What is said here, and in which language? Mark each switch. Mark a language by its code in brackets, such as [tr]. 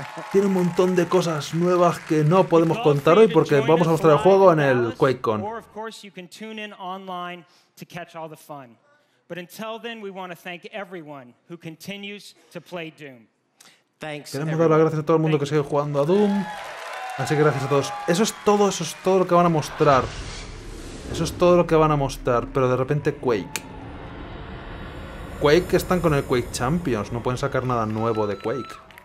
[es] Tiene un montón de cosas nuevas que no podemos contar hoy porque vamos a mostrar el juego en el QuakeCon. [en] Or of course you can tune in online to catch all the fun. But until then we want to thank everyone who continues to play Doom. Thanks. [es] Queremos dar las gracias a todo el mundo que sigue jugando a Doom. Así que gracias a todos. Eso es todo lo que van a mostrar. Eso es todo lo que van a mostrar, pero de repente Quake están con el Quake Champions, no pueden sacar nada nuevo de Quake.